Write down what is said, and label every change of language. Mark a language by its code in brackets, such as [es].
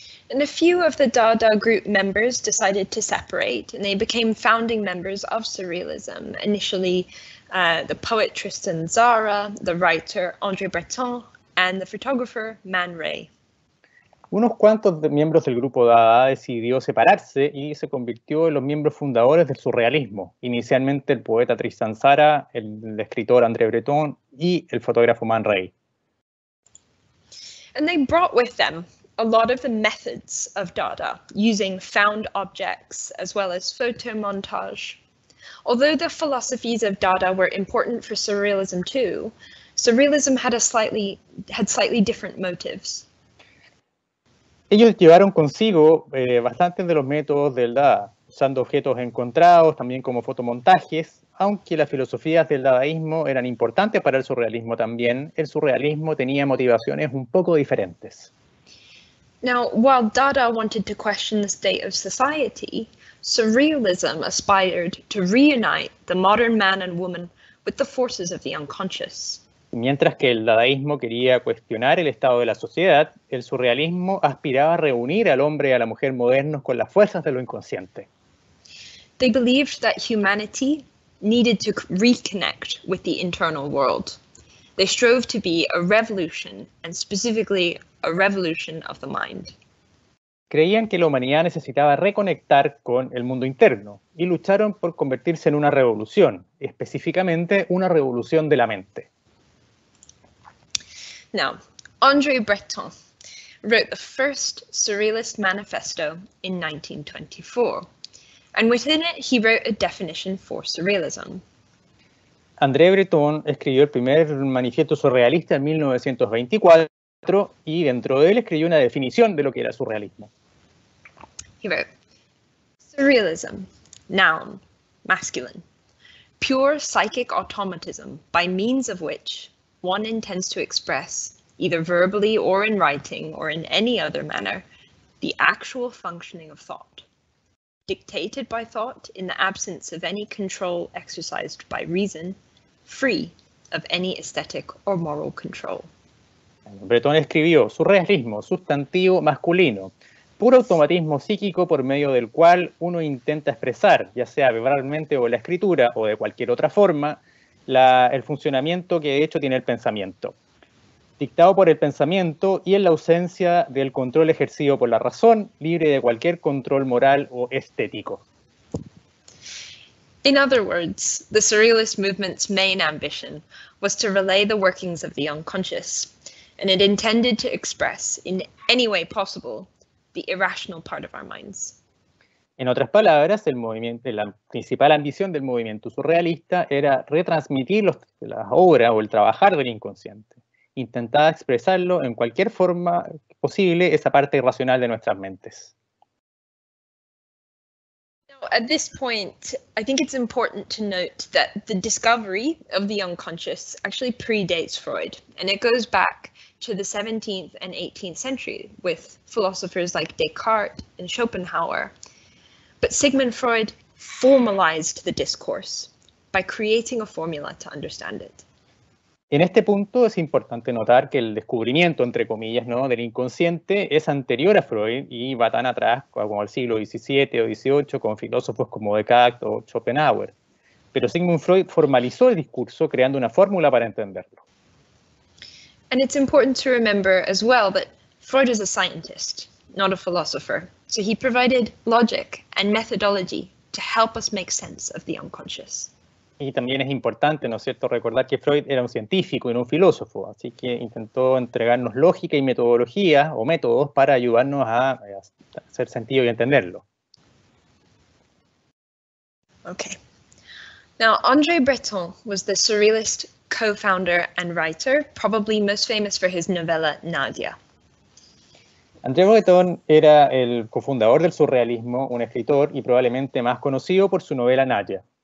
[en] And a few of the Dada group members decided to separate and they became founding members of Surrealism. Initially, the poet Tristan Tzara, the writer André Breton and the photographer Man Ray. [es] Unos cuantos miembros del grupo Dada decidió separarse y se convirtió en los miembros fundadores del surrealismo. Inicialmente el poeta Tristan Tzara, el escritor André Breton y el fotógrafo Man Ray. [en] And they brought with them a lot of the methods of Dada, using found objects as well as photo montage. Although the philosophies of Dada were important for surrealism too, surrealism had slightly different motives. [es] Ellos llevaron consigo bastantes de los métodos del Dada, usando objetos encontrados, también como fotomontajes. Aunque las filosofías del dadaísmo eran importantes para el surrealismo también, el surrealismo tenía motivaciones un poco diferentes. [en] Now, while Dada wanted to question the state of society, surrealism aspired to reunite the modern man and woman with the forces of the unconscious. [es] Mientras que el dadaísmo quería cuestionar el estado de la sociedad, el surrealismo aspiraba a reunir al hombre y a la mujer modernos con las fuerzas de lo inconsciente. [en] They believed that humanity needed to reconnect with the internal world. They strove to be a revolution, and specifically a revolution of the mind. [es] Creían que la humanidad necesitaba reconectar con el mundo interno y lucharon por convertirse en una revolución, específicamente una revolución de la mente. [en] Now, André Breton wrote the first Surrealist Manifesto in 1924, and within it he wrote a definition for Surrealism. [es] André Breton escribió el primer manifiesto surrealista en 1924, teatro y dentro de él escribió una definición de lo que era surrealismo. [en] He wrote, "Surrealism, noun, masculine. Pure psychic automatism by means of which one intends to express, either verbally or in writing or in any other manner, the actual functioning of thought. Dictated by thought in the absence of any control exercised by reason, free of any aesthetic or moral control." [es] Breton escribió, surrealismo, sustantivo masculino, puro automatismo psíquico por medio del cual uno intenta expresar, ya sea verbalmente o la escritura o de cualquier otra forma, el funcionamiento que de hecho tiene el pensamiento. Dictado por el pensamiento y en la ausencia del control ejercido por la razón, libre de cualquier control moral o estético. [en] In other words, the surrealist movement's main ambition was to relay the workings of the unconscious, and it intended to express, in any way possible, the irrational part of our minds. [es] En otras palabras, la principal ambición del movimiento surrealista era retransmitir la obra o el trabajar del inconsciente. Intentaba expresarlo en cualquier forma posible, esa parte irracional de nuestras mentes. [en] Now, at this point, I think it's important to note that the discovery of the unconscious actually predates Freud, and it goes back to the 17th and 18th century with philosophers like Descartes and Schopenhauer. But Sigmund Freud formalized the discourse by creating a formula to understand it. [es] En este punto es importante notar que el descubrimiento, entre comillas, ¿no?, del inconsciente es anterior a Freud y va tan atrás como al siglo XVII o XVIII con filósofos como Descartes o Schopenhauer. Pero Sigmund Freud formalizó el discurso creando una fórmula para entenderlo. [en] And it's important to remember as well that Freud is a scientist, not a philosopher. So he provided logic and methodology to help us make sense of the unconscious. [es] Y también es importante, ¿no es cierto?, recordar que Freud era un científico y no un filósofo, así que intentó entregarnos lógica y metodología o métodos para ayudarnos a hacer sentido y entenderlo. [en] Okay. Now, André Breton was the surrealist co-founder and writer, probably most famous for his novela Nadia. [es] André Breton era el cofundador del surrealismo, un escritor y probablemente más conocido por su novela Nadia.